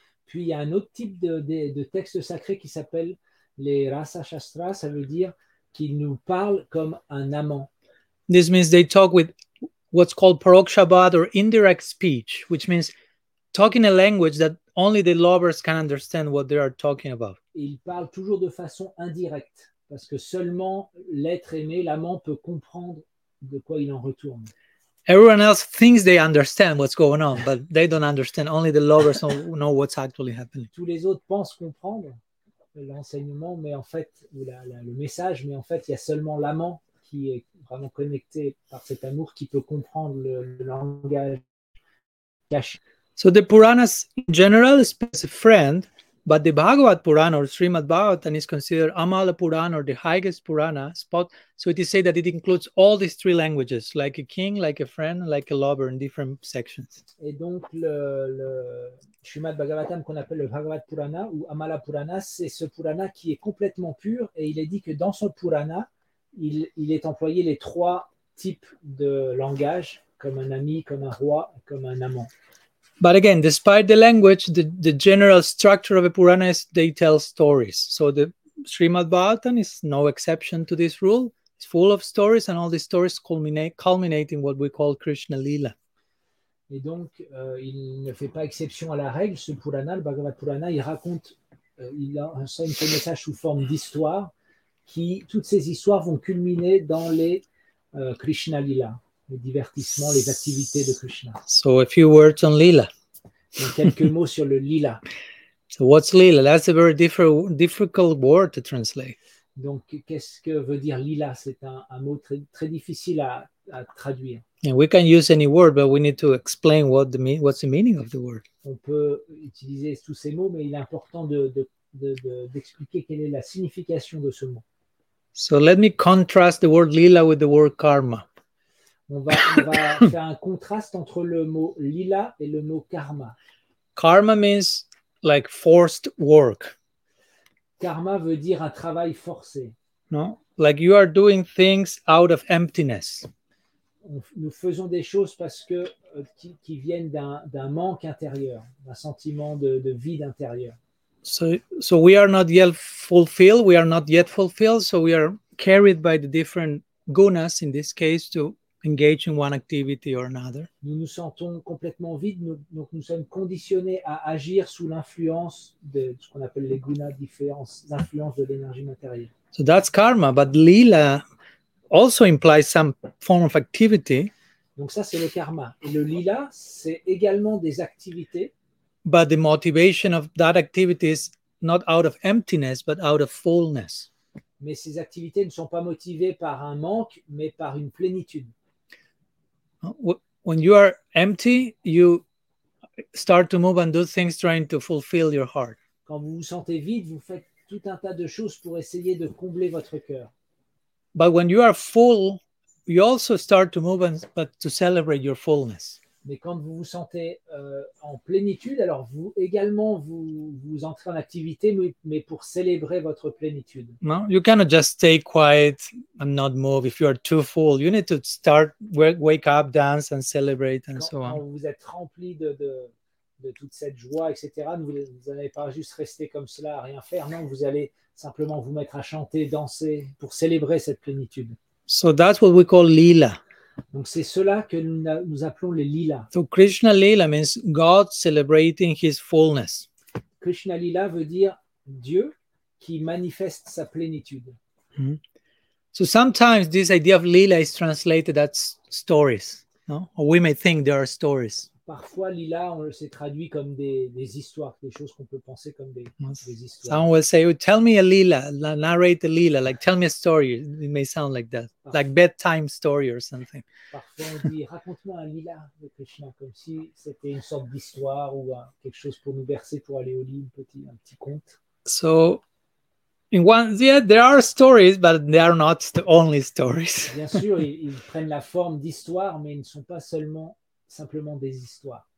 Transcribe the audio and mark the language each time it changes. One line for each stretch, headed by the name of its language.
French: Puis il y a un autre type de texte sacré qui s'appelle les Rasa Shastra, ça veut dire qu'ils nous parlent comme un amant.
English: This means they talk with what's called parokshabad or indirect speech, which means talking a language that only the lovers can understand what they are talking about.
French: Ils parlent toujours de façon indirecte, parce que seulement l'être aimé, l'amant, peut comprendre de quoi il en retourne.
English: Everyone else thinks they understand what's going on, but they don't understand. Only the lovers know what's actually happening.
French: Tous les autres pensent comprendre l'enseignement, mais en fait, ou le message, mais en fait, il y a seulement l'amant qui est vraiment connecté par cet amour qui peut comprendre le langage caché.
English: So the Puranas in general speak as a friend, but the Bhagavad Purana or Srimad Bhagavatam is considered Amala Purana or the highest Purana spot. So it is said that it includes all these three languages, like a king, like a friend, like a lover in different sections.
French: Et donc le Srimad Bhagavatam qu'on appelle le Bhagavad Purana ou Amala Purana, c'est ce Purana qui est complètement pur et il est dit que dans son Purana, il est employé les trois types de langage, comme un ami, comme un roi, comme un amant.
English: But again, despite the language, the general structure of a Purana is they tell stories. So the Srimad Bhagavatam is no exception to this rule. It's full of stories, and all these stories culminate in what we call Krishna Lila.
French: Et donc, il ne fait pas exception à la règle, ce Purana, le Bhagavad Purana, il raconte, il enseigne ce message sous forme d'histoire, qui, toutes ces histoires vont culminer dans les Krishna Lila. Les divertissements, les activités de Krishna.
English: So a few words on Lila.
French: Donc quelques mots sur le Lila.
English: So what's Lila? That's a very difficult word to translate.
French: Donc qu'est-ce que veut dire Lila? C'est un mot très, très difficile à traduire.
English: Yeah, we can use any word, but we need to explain what's the meaning of the word.
French: On peut utiliser tous ces mots, mais il est important d'expliquer quelle est la signification de ce mot.
English: So let me contrast the word Lila with the word karma.
French: On va faire un contraste entre le mot lila et le mot karma.
English: Karma means like forced work.
French: Karma veut dire un travail forcé.
English: No, like you are doing things out of emptiness.
French: Nous faisons des choses parce que qui viennent d'un manque intérieur, d'un sentiment de vide intérieur.
English: So we are not yet fulfilled. We are not yet fulfilled. So we are carried by the different gunas in this case to engage in one activity or another.
French: Nous nous sentons complètement vides, donc nous sommes conditionnés à agir sous l'influence de ce qu'on appelle les gunas, l'influence de l'énergie matérielle.
English: So that's karma, but lila also implies some form of activity.
French: Donc ça c'est le karma. Et le lila c'est également des activités.
English: But the motivation of that activity is not out of emptiness, but out of fullness.
French: Mais ces activités ne sont pas motivées par un manque, mais par une plénitude.
English: When you are empty, you start to move and do things trying to fulfill your heart.
French: Quand vous vous sentez vide, vous faites tout un tas de choses pour essayer de combler votre cœur.
English: But when you are full, you also start to move but to celebrate your fullness.
French: Mais quand vous vous sentez en plénitude, alors vous également vous entrez en activité, mais pour célébrer votre plénitude.
English: No, you cannot just stay quiet and not move if you are too full. You need to start wake up, dance and celebrate and so on.
French: Quand vous êtes rempli de toute cette joie, etc., vous n'allez pas juste rester comme cela à rien faire. Non, vous allez simplement vous mettre à chanter, danser pour célébrer cette plénitude.
English: So that's what we call lila.
French: Donc c'est cela que nous appelons les lilas.
English: So Krishna lila means God celebrating his fullness.
French: Krishna lila veut dire Dieu qui manifeste sa plénitude.
English: Mm-hmm. So sometimes this idea of lila is translated as stories, no? Or we may think there are stories.
French: Parfois, lila, on le sait traduit comme des histoires, des choses qu'on peut penser comme des histoires.
English: Someone will say, oh, tell me a lila, narrate a lila, like tell me a story. It may sound like that,
French: parfois,
English: like bedtime story or something.
French: Parfois, on dit, raconte-moi un lila de Krishna, comme si c'était une sorte d'histoire ou quelque chose pour nous bercer pour aller au lit, un petit conte.
English: So, in one, yeah, there are stories, but they are not the only stories.
French: Bien sûr, ils prennent la forme d'histoires, mais ils ne sont pas seulement simplement des histoires.